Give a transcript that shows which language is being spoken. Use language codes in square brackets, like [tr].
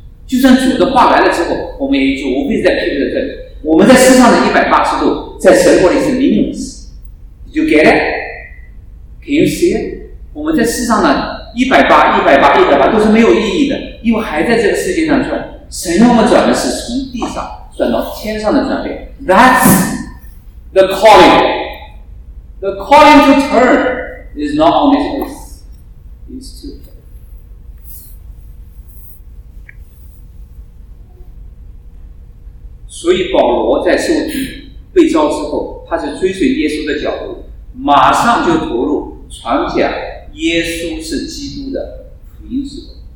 [zh] 就算主的话来了之后，我们也就无非在批评的这里，我们在世上的180度在神国里是 meaningless。 [en] Did you get it? Can you see it? [zh] 我们在世上呢180都是没有意义的，因为还在这个世界上转。神要我们转的是从地上转到天上的转变。 [en] That's the calling. The calling to turn is not on this earth, it's to heaven. [zh] 所以保罗在受洗被召之后，他是追随耶稣的脚步，马上就投入传讲耶稣是基督的福音之后。